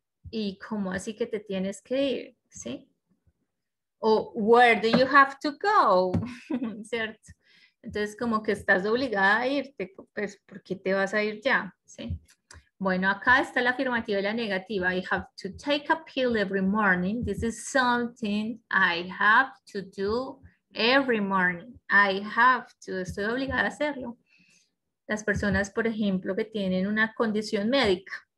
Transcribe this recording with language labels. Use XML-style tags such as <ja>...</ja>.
<es>¿Y cómo así que te tienes que ir? ¿Sí? O,</es> <en>where do you have to go?</en> <es>¿Cierto? Entonces, como que estás obligada a irte, pues, ¿por qué te vas a ir ya? ¿Sí? Bueno, acá está la afirmativa y la negativa.</es> <en>I have to take a pill every morning. This is something I have to do every morning. I have to.</en> <es>Estoy obligada a hacerlo. Las personas, por ejemplo, que tienen una condición médica.</es>